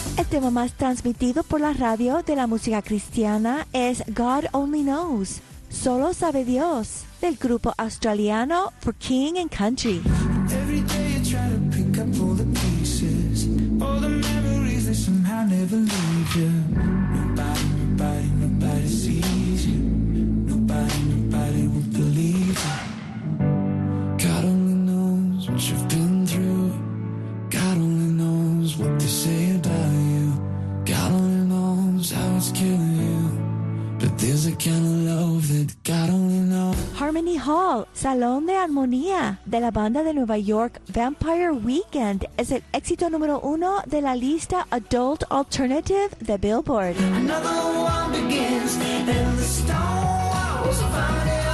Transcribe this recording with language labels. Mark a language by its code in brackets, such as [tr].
[es] Tema más transmitido por la radio de la música cristiana es God Only Knows, Solo Sabe Dios, del grupo australiano For King and Country. [en] Every day you try to pick up all the pieces, all the memories that somehow never leave you. Nobody, nobody, nobody sees you. Nobody, nobody will believe you. God only knows what you've been through. God only knows what they say about you. God only knows how it's killing you, but there's a kind of love that God only knows. [es] Harmony Hall, Salón de Armonía, de la banda de Nueva York, Vampire Weekend, es el éxito número uno de la lista Adult Alternative de Billboard. [en] Another one begins, and the stone walls of fire.